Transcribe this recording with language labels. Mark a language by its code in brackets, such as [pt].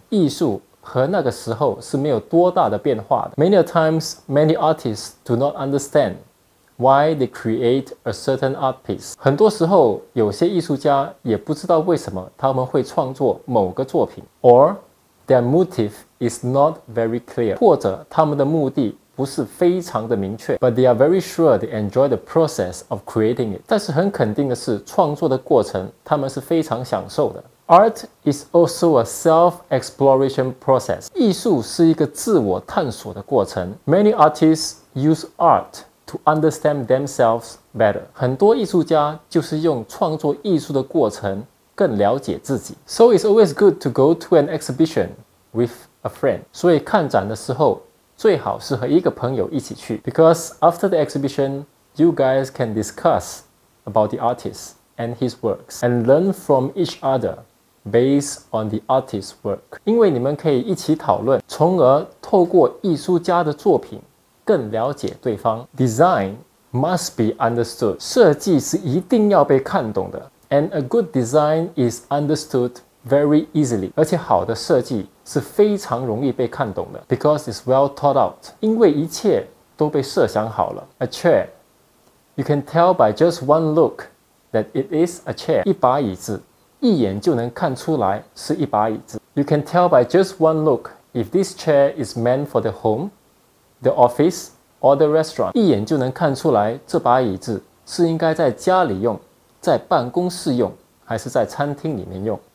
[zh] 艺术和那个时候是没有多大的变化的。 [en] Many times, many artists do not understand why they create a certain art piece. [zh] 很多时候，有些艺术家也不知道为什么他们会创作某个作品。 [en] Or their motive is not very clear. [zh] 或者他们的目的不是非常的明确 [en] but they are very sure they enjoy the process of creating it. [zh] 但是很肯定的是创作的过程他们是非常享受的。 [en] Art is also a self-exploration process. [zh] 艺术是一个自我探索的过程。 [en] Many artists use art to understand themselves better. [zh] 很多艺术家就是用创作艺术的过程更了解自己。 [en] So it's always good to go to an exhibition with a friend. [zh] 所以看展的时候最好是和一个朋友一起去 [en] ，because after the exhibition, you guys can discuss about the artist and his works and learn from each other based on the artist's work. [zh] 因为你们可以一起讨论，从而透过艺术家的作品更了解对方。 [en] Design must be understood. [zh] 设计是一定要被看懂的。 [en] And a good design is understood very easily. [zh] 而且好的设计是非常容易被看懂的 [en] because it's well thought out [zh] 因为一切都被设想好了 [en] A chair You can tell by just one look that it is a chair [zh] 一把椅子一眼就能看出来是一把椅子 [en] You can tell by just one look if this chair is meant for the home the office or the restaurant [zh] 一眼就能看出来这把椅子是应该在家里用在办公室用还是在餐厅里面用。